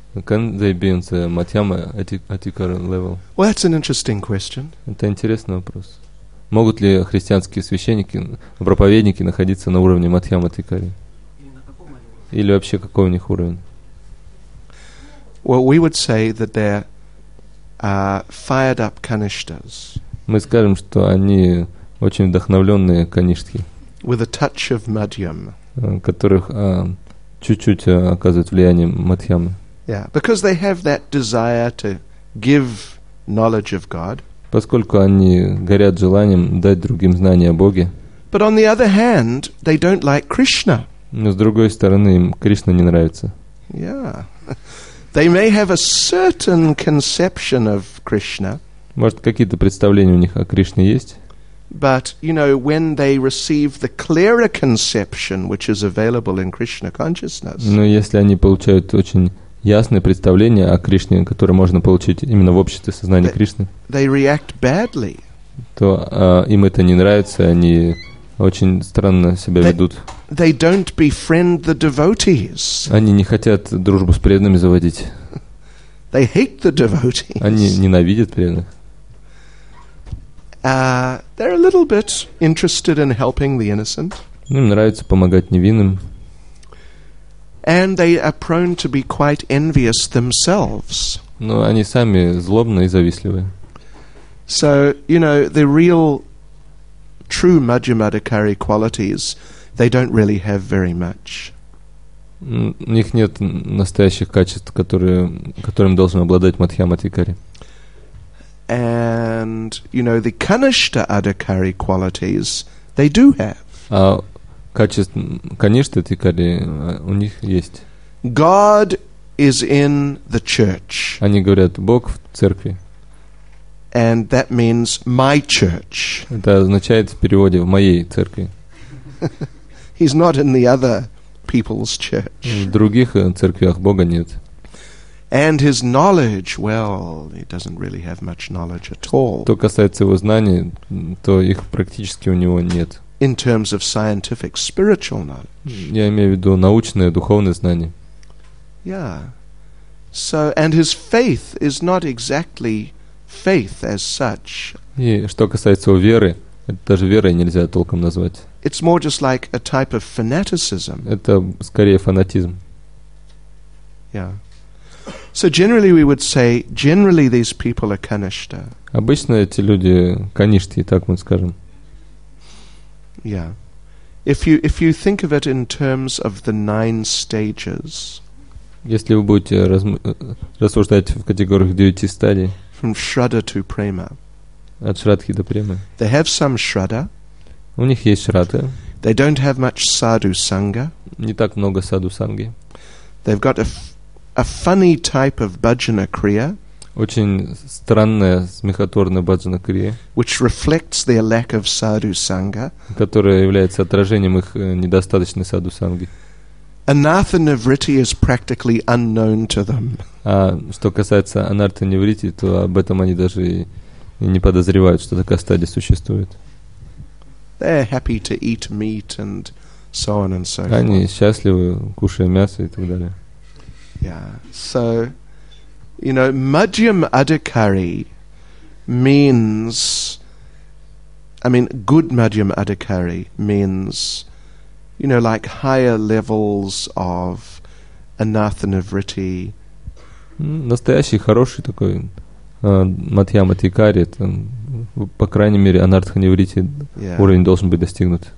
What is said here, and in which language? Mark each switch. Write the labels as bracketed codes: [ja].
[en] Can they be on the Madhyama Atikara level? Well, that's an interesting question. [ru] Это интересный вопрос. Могут ли христианские священники, проповедники находиться на уровне Мадхьяма Атикари? Или вообще какой у них уровень? [en] Well, we would say that they're fired up kanishtas. [ru] Мы скажем, что они очень вдохновленные канишки. [en] With a touch of madhyam. [ru] Которых чуть-чуть оказывает влияние мадхьямы. [en] Yeah, because they have that desire to give knowledge of God. [ru] Поскольку они горят желанием дать другим знания о Боге. [en] But on the other hand, they don't like Krishna. [ru] Но с другой стороны, им Кришна не нравится. [en] Yeah. They may have a certain conception of Krishna. [ru] Может, какие-то представления у них о Кришне есть? [en] But, you know, when they receive the clearer conception, which is available in Krishna consciousness. [ru] Но если они получают очень ясное представление о Кришне, которое можно получить именно в обществе сознания Кришны, [en] they react badly. [ru] То им это не нравится, они очень странно себя ведут. [en] They don't befriend the devotees. [ru] Они не хотят дружбу с преданными заводить. [en] They hate the devotees. [ru] Они ненавидят преданных. [en] They're a little bit interested in helping the innocent. [ru] Им нравится помогать невинным. [en] And they are prone to be quite envious themselves. [ru] Но они сами злобны и завистливы. [en] So, you know, the real true Madhyamadhikari qualities, they don't really have very much. [ru] У них нет настоящих качеств, которым должен обладать Мадхьяма-адхикари. [en] And, you know, the Kanishta Adhikari qualities, they do have. [ru] Kanishta Adhikari у них есть. [en] God is in the church. [ru] Они говорят, Бог в церкви. [en] And that means my church. [ru] Это означает в переводе в моей церкви. [en] He's not in the other people's church. [ru] В других церквях Бога нет. [en] And his knowledge, well, he doesn't really have much knowledge at all. [ru] Что касается его знаний, то их практически у него нет. [en] In terms of scientific spiritual knowledge. [ru] Я имею в виду научные, духовные знания. [en] Yeah. So, and his faith is not exactly faith as such. [ru] И что касается его веры, это даже верой нельзя толком назвать. [en] It's more just like a type of fanaticism. [ru] Это скорее фанатизм. [en] Yeah. So generally we would say generally these people are kanishta. [ru] Обычно эти люди каништи, так мы скажем. [en] Yeah. If you think of it in terms of the nine stages. [ru] Если вы будете рассуждать в категориях девяти стадий. [en] From shraddha to prema. [ru] От шрадхи до премы. [en] They have some shraddha. [ru] У них есть шрадха. [en] They don't have much sadhu sangha. [ru] Не так много саду санги. [en] They've got a funny type of bhajana kriya. [ru] Очень странная, смехотворная bhajana kriya. [en] Which reflects their lack of sadhu sangha. [ru] Которая является отражением их недостаточной sadhu sanghi. [en] Anartha nivritti is practically unknown to them. [ru] А что касается anartha nivritti, то об этом они даже и не подозревают, что такая стадия существует. [en] They're happy to eat meat and so on and so forth. [ru] Они счастливы, кушая мясо и так далее. [en] Yeah. So, you know, madhyam adhikari means, I mean, good madhyam adhikari means, you know, like higher levels of anathanavritti. [ru] Настоящий хороший такой мадхьяма адхикари, по крайней мере, анартханевритти уровень должен быть достигнут.